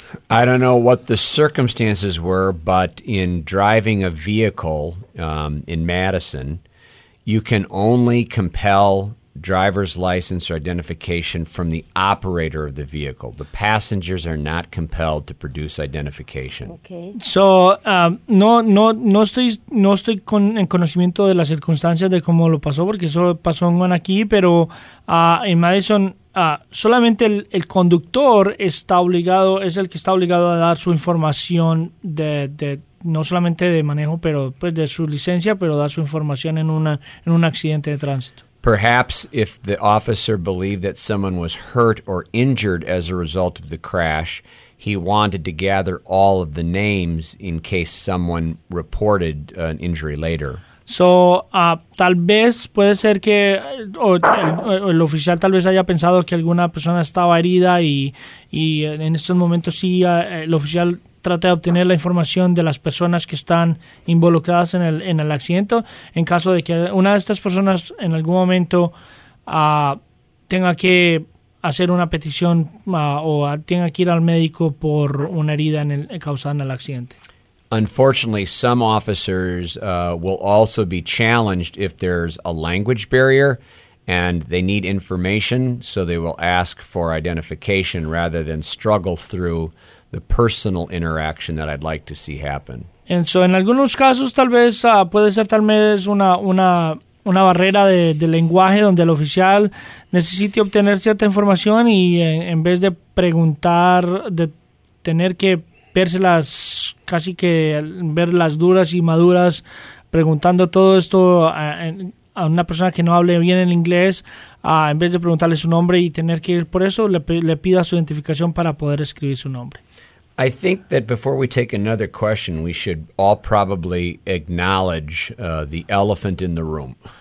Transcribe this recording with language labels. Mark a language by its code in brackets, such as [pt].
[en] I don't know what the circumstances were, but in driving a vehicle in Madison, you can only compel driver's license or identification from the operator of the vehicle. The passengers are not compelled to produce identification. Okay. So, [es] no estoy en conocimiento de las circunstancias de cómo lo pasó, porque eso pasó en Wanaki, pero en Madison, solamente el conductor está obligado, es el que está obligado a dar su información de no solamente de manejo, pero pues de su licencia, pero dar su información en un accidente de tránsito. [en] Perhaps if the officer believed that someone was hurt or injured as a result of the crash, he wanted to gather all of the names in case someone reported an injury later. So, [es] tal vez puede ser que el oficial tal vez haya pensado que alguna persona estaba herida y en estos momentos sí el oficial trata de obtener la información de las personas que están involucradas en el accidente, en caso de que una de estas personas en algún momento tenga que hacer una petición o tenga que ir al médico por una herida causada en el accidente. [en] Unfortunately, some officers will also be challenged if there's a language barrier and they need information, so they will ask for identification rather than struggle through the personal interaction that I'd like to see happen. And so [es] en algunos casos tal vez puede ser tal vez una barrera de lenguaje donde el oficial necesite obtener cierta información y en vez de preguntar, de tener que vérselas casi que ver las duras y maduras preguntando todo esto a una persona que no hable bien el inglés, en vez de preguntarle su nombre y tener que ir por eso, le pida su identificación para poder escribir su nombre. [en] I think that before we take another question, we should all probably acknowledge the elephant in the room.